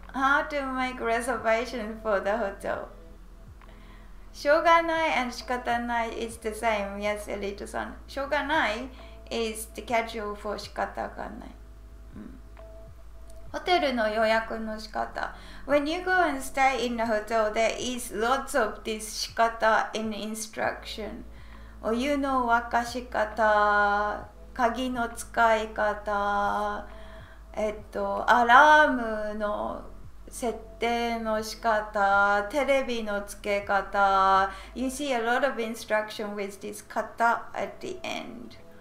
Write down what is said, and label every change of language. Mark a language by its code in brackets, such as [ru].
[en] How to make reservation for the hotel? しょうがない and 仕方ない is the same, yes, Elito さん。しょうがない is the casual for 仕方がない。 [ja] ホテルの予約の仕方。 [en] When you go and stay in a hotel, there is lots of this 仕方 in instruction. [ja] お湯の沸かし方、鍵の使い方、アラームの設定の仕方、テレビの付け方。 [en] You see a lot of instruction with this 型 at the end.